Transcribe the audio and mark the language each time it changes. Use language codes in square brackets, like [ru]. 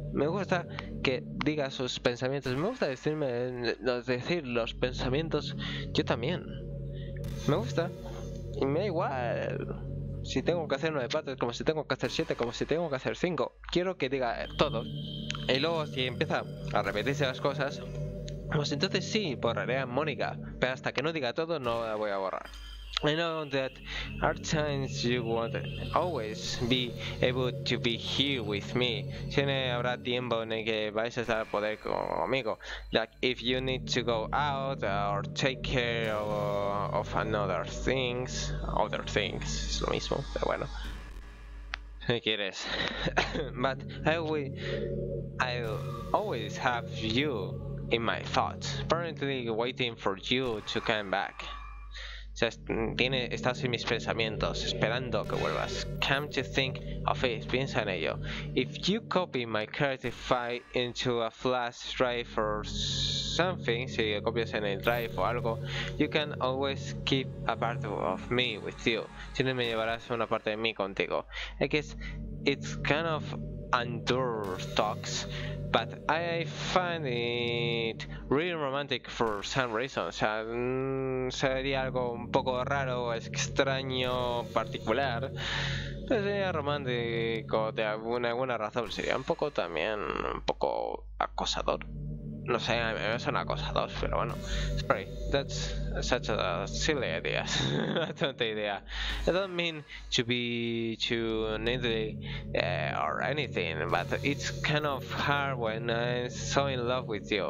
[es] Me gusta que diga sus pensamientos. Me gusta decirme, decir los pensamientos. Yo también. Me gusta. Y me da igual si tengo que hacer 9 partes, como si tengo que hacer 7, como si tengo que hacer 5. Quiero que diga todo. Y luego, si empieza a repetirse las cosas, pues entonces sí, borraré a Mónica. Pero hasta que no diga todo, no la voy a borrar. [en] I know that at times you won't always be able to be here with me. [es] Si no habrá tiempo en el que vais a estar poder conmigo. [en] Like if you need to go out or take care of another things. Other things, [es] es lo mismo, pero bueno. Si quieres. [en] But I'll always have you in my thoughts. Apparently waiting for you to come back. [es] O sea, estás en mis pensamientos, esperando que vuelvas. [en] Come to think of it, [es] piensa en ello. [en] If you copy my creative file into a flash drive or something, [es] si copias en el drive o algo, [en] you can always keep a part of me with you. [es] Si no, me llevarás una parte de mí contigo. [en] I guess it's kind of undue talks, but I find it really romantic for some reason. [es] O sea, sería algo un poco raro, extraño, particular, pero sería romántico de alguna razón. Sería un poco también un poco acosador. No sé, a mí me suena acosador, pero bueno. [en] Sorry, that's such a silly idea. [es] Tonta idea. [en] I don't mean to be too needy or anything, but it's kind of hard when I'm so in love with you.